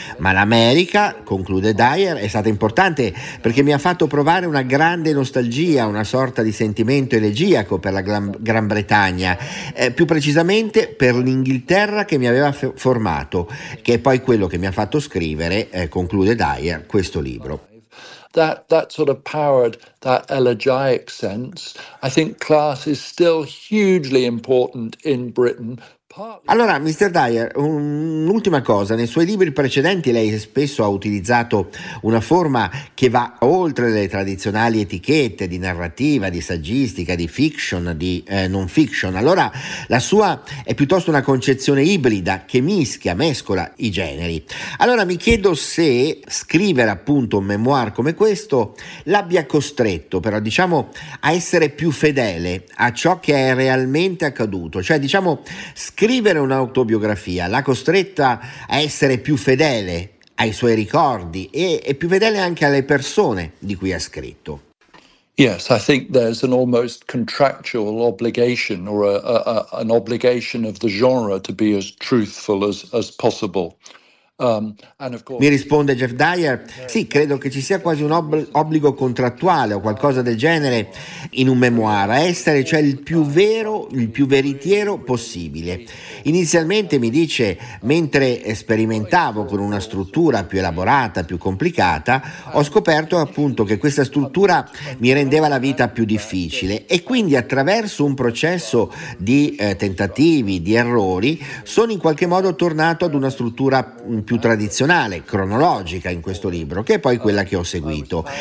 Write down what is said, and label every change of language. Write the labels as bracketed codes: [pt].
[it] Ma l'America, conclude Dyer, è stata importante perché mi ha fatto provare una grande nostalgia, una sorta di sentimento elegiaco per la Gran Bretagna. Più precisamente per l'Inghilterra che mi aveva formato, che è poi quello che mi ha fatto scrivere, conclude Dyer, questo libro. [en] That sort of powered that elegiac sense. I think class is still hugely important in Britain. [it] Allora, Mr. Dyer, un'ultima cosa. Nei suoi libri precedenti lei spesso ha utilizzato una forma che va oltre le tradizionali etichette di narrativa, di saggistica, di fiction, di non fiction. Allora, la sua è piuttosto una concezione ibrida che mescola i generi. Allora, mi chiedo se scrivere appunto un memoir come questo l'abbia costretto, però, diciamo, a essere più fedele a ciò che è realmente accaduto. Cioè, diciamo, scrivere un'autobiografia l'ha costretta a essere più fedele ai suoi ricordi e più fedele anche alle persone di cui ha scritto. [en] Yes, I think there's an almost contractual obligation or an obligation of the genre to be as truthful as possible. [it] Mi risponde Jeff Dyer, sì, credo che ci sia quasi un obbligo contrattuale o qualcosa del genere in un memoir, a essere cioè il più vero, il più veritiero possibile. Inizialmente mi dice, mentre sperimentavo con una struttura più elaborata, più complicata, ho scoperto appunto che questa struttura mi rendeva la vita più difficile e quindi attraverso un processo di tentativi, di errori, sono in qualche modo tornato ad una struttura più tradizionale, cronologica in questo libro, che è poi quella che ho seguito.